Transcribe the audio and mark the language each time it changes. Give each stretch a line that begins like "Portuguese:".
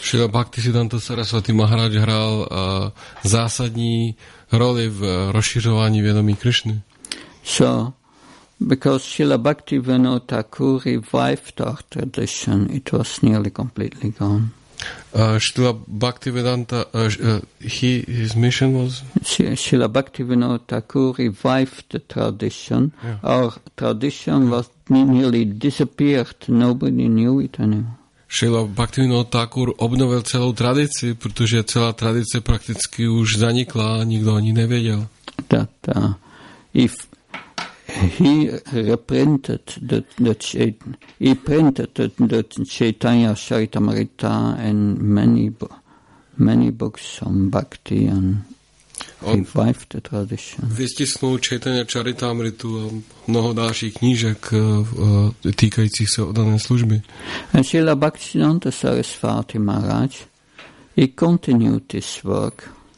Czech: Srila Bhaktisiddhanta Sarasvati Maharaj hrál zásadní roli v rozšiřování vědomí Krishny.
English: So, because Srila Bhaktivinoda Thakur revived our tradition, it was nearly completely gone. Srila Bhaktivinoda, his mission was? Srila Bhaktivinoda Thakur revived the tradition. Yeah. Our tradition was nearly disappeared. Nobody knew it anymore.
Czech: Srila Bhaktivinoda Thakur obnovil celou tradici, protože celá tradice prakticky už zanikla a nikdo o ní nevěděl.
English: That, if he reprinted the Chaitanya Charitamrita and many books on bhakti and revived the tradition.
Czech: Vystisknul Chaitanya Charitamritu a mnoho dalších knížek týkajících se oddané služby.
English: And Srila Bhaktisiddhanta Sarasvati Maharaj, he continued this work.